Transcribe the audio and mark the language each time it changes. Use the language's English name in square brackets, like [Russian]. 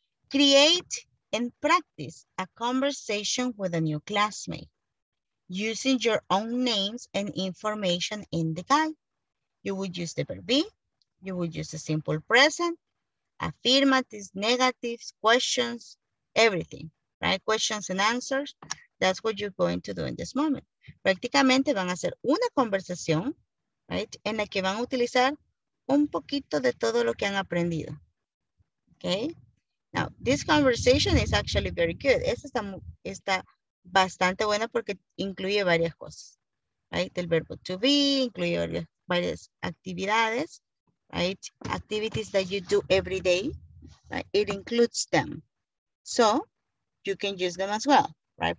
[English] Create and practice a conversation with a new classmate using your own names and information in the guide. You would use the verb be. You would use the simple present, affirmatives, negatives, questions, everything, right? Questions and answers. That's what you're going to do in this moment. [Spanish] Prácticamente van a hacer una conversación, right? En la que van a utilizar un poquito de todo lo que han aprendido. Okay? [English] Now, this conversation is actually very good. [Spanish] Esta está bastante buena porque incluye varias cosas, [English] right? [Spanish] El verbo to be, incluye varias actividades. [English] Right, activities that you do every day, right? It includes them. So you can use them as well, right?